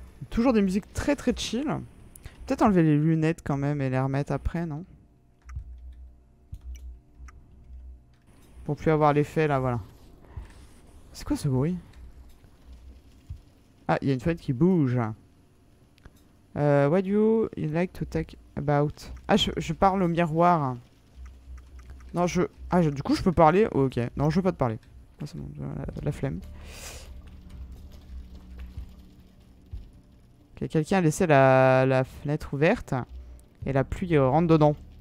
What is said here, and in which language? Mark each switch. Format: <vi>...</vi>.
<fr>Toujours des musiques très très chill. Peut-être enlever les lunettes quand même et les remettre après, non? Pour plus avoir l'effet, là, voilà. C'est quoi ce bruit? Ah, il y a une fenêtre qui bouge.</fr> <en>What do you like to talk about?</en> <fr>Ah, je parle au miroir. Non, je. Ah, du coup, je peux parler? Oh, ok. Non, je veux pas te parler. Oh, c'est bon, la flemme. Ok, Que quelqu'un a laissé la fenêtre ouverte et la pluie rentre dedans.</fr>